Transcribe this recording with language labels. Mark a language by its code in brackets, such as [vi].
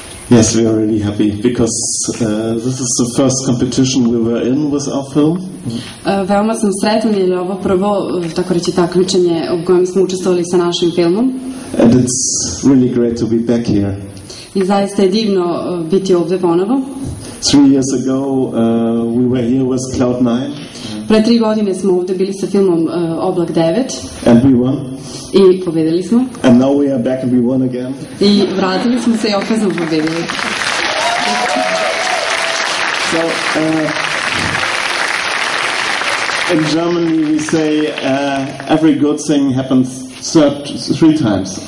[en] Yes, we are really happy because this is the first competition we were in with our film. [sr] Veoma sam sretna jer je ovo prvo, tako reći, takmičenje u kojem smo učestvovali sa našim filmom. [en] And it's really great to be back here. [sr] I zaista je divno biti ovde ponovo. [en] 3 years ago we were here with Cloud 9. [sr] Pre 3 godine smo ovde bili sa filmom Oblak 9. [en] And we won. [sr] I pobedili smo. [en] And now we are back and we won again. [sr] I vratili smo se i opet smo pobedili. [en] So, in Germany we say every good thing happens 3 times.